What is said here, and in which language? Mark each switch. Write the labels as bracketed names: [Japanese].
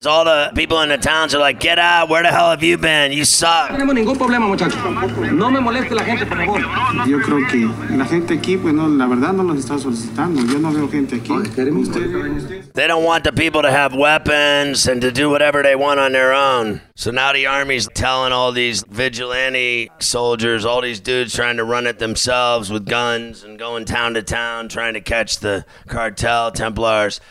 [English] All the people in the towns are like, get out, where the hell have you been? You suck. [Spanish] No tenemos ningún problema, muchachos. No me moleste la gente, por favor. Yo creo que la gente aquí, pues no, la verdad no los está solicitando. Yo no veo gente aquí. [English] They don't want the people to have weapons and to do whatever they want on their own. So now the army's telling all these vigilante soldiers, all these dudes trying to run it themselves with guns and going town to town trying to catch the cartel, Templars.